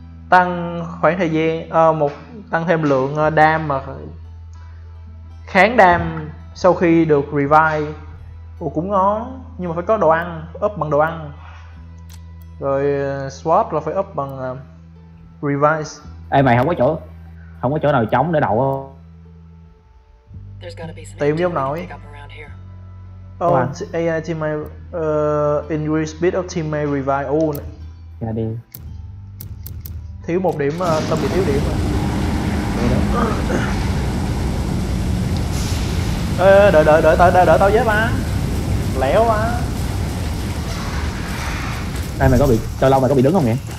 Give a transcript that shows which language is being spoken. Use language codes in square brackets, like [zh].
[vi] Tăng khoảng thời gian một tăng thêm lượng đam mà kháng đam sau khi được revive. Ủa cũng ngon, nhưng mà phải có đồ ăn, up bằng đồ ăn. Rồi swap là phải up bằng revive. Ê mày không có chỗ, không có chỗ nào trống để đậu không? Tìm đi ông nội. [en] Oh, AI teammate may increase speed of teammate revive. Ồ. Oh. [vi] Ra đi. Thiếu một điểm, tâm bị thiếu điểm rồi. Ê, đợi tao giết ba. Lẻo quá. Ê, mày có bị, cho lâu mày có bị đứng không nhỉ?